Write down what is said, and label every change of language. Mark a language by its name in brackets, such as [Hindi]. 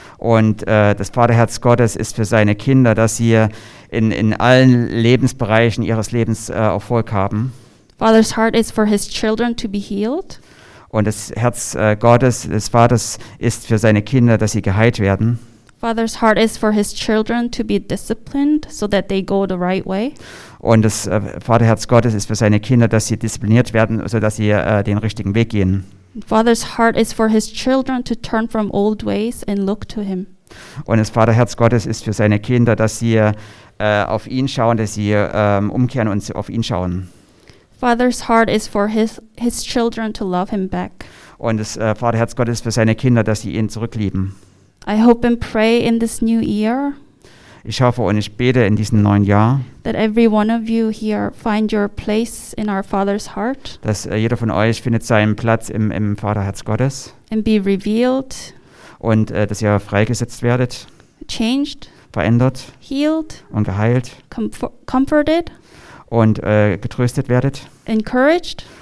[German] Und das Vaterherz Gottes ist für seine Kinder, dass sie in allen Lebensbereichen ihres Lebens Erfolg haben. [English] Father's heart is for his children to be healed. [German] Und das Herz Gottes des Vaters ist für seine Kinder, dass sie geheilt werden. [English] Father's heart is for his children to be disciplined so that they go the right way. [German] Und das Vaterherz Gottes ist für seine Kinder, dass sie diszipliniert werden, so dass sie den richtigen Weg gehen. [English] Father's heart is for his children to turn from old ways and look to him. [German] Und das Vaterherz Gottes ist für seine Kinder, dass sie auf ihn schauen, dass sie umkehren und auf ihn schauen. [English] Father's heart is for his children to love him back. [German] Und das Vaterherz Gottes ist für seine Kinder, dass sie ihn zurücklieben. [English] I hope and pray in this new year. [German] Ich hoffe und ich bete in diesem neuen Jahr. [English] That every one of you here find your place in our Father's heart. [German] Dass jeder von euch findet seinen Platz im Vaterherz Gottes. [English] And be revealed. [German] Und dass ihr freigesetzt werdet. [English] Changed. [German] Verändert. [English] Healed. [German] Und geheilt. [English] Comforted. [German] Und getröstet werdet. [English] Encouraged.